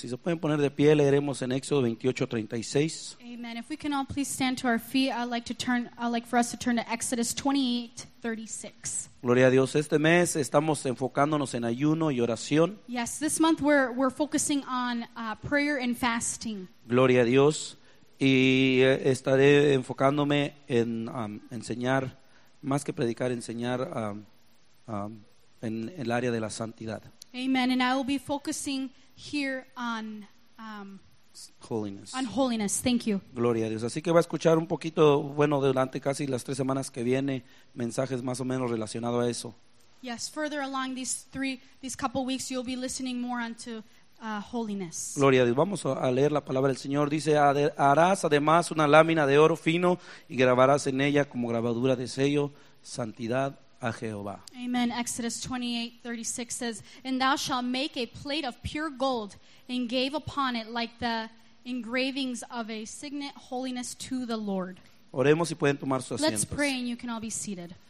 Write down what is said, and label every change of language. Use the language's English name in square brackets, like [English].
[Spanish] Si se pueden poner de pie, leeremos en Éxodo 28:36. [English] Amen. If we can all please stand to our feet, I'd like for us to turn to Exodus 28:36. [Spanish] Gloria a Dios. Este mes estamos enfocándonos en ayuno y oración. [English] Yes, this month we're focusing on prayer and fasting. [Spanish] Gloria a Dios. Y estaré enfocándome en enseñar, más que predicar, enseñar en el área de la santidad. [English] Amen. And I will be focusing here on holiness. On holiness. Thank you. [Spanish] Gloria a Dios. Así que va a escuchar un poquito, bueno, durante casi las tres semanas que viene, mensajes más o menos relacionados a eso. [English] Yes, further along these couple weeks, you'll be listening more onto holiness. [Spanish] Gloria a Dios. Vamos a leer la palabra del Señor. Dice: harás además una lámina de oro fino y grabarás en ella como grabadura de sello santidad a Jehová. [English] Amen. Exodus 28:36 says, and thou shalt make a plate of pure gold, engrave upon it like the engravings of a signet holiness to the Lord. [Spanish] Oremos y pueden tomar sus asientos. [English] Let's pray and you can all be seated.